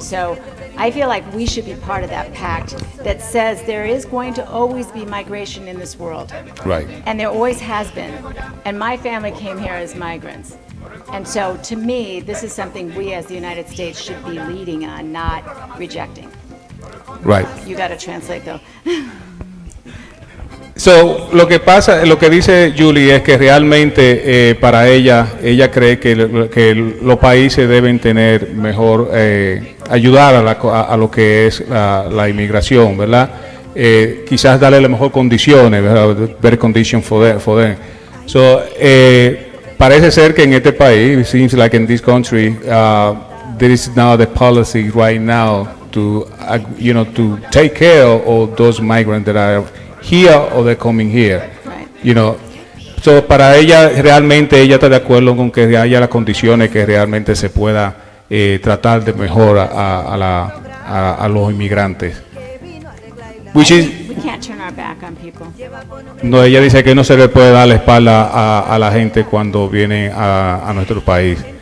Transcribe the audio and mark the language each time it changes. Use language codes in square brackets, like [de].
[en] So I feel like we should be part of that pact that says there is going to always be migration in this world. Right. And there always has been. And my family came here as migrants. And so to me, this is something we as the United States should be leading on, not rejecting. Right. You got to translate though. [es] So lo que pasa, lo que dice Julie es que realmente para ella, ella cree que los países deben tener mejor ayudar a lo que es la inmigración, ¿verdad? Quizás darle las mejores condiciones, ¿verdad? [en] Better condition for them. So [es] parece ser que en este país, [en] it seems like in this country, there is now the policy right now to, you know, to take care of those migrants that are here or they're coming here, you know. [es] So para ella realmente ella está de acuerdo con que haya las condiciones que realmente se pueda tratar de mejor a los inmigrantes. [en] Which is, we can't turn our back on people. [es] No, ella dice que no se le puede dar la espalda a la gente cuando viene a nuestro país.